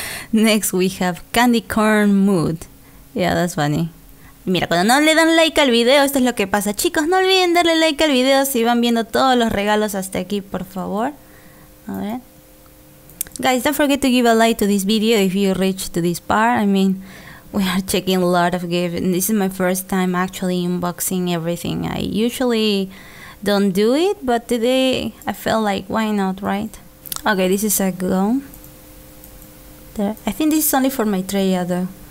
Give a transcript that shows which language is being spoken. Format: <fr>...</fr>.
<en>Next we have Candy Corn Mood. Yeah, that's funny.</en> <es>Mira, cuando no le dan like al video, esto es lo que pasa. Chicos, no olviden darle like al video si van viendo todos los regalos hasta aquí, por favor. A ver.</es> <en>Guys, don't forget to give a like to this video if you reach to this part. I mean, we are checking a lot of gifts. And this is my first time actually unboxing everything. I usually don't do it, but today I felt like, why not, right? Okay, this is a go. There. I think this is only for my tray, though.</en>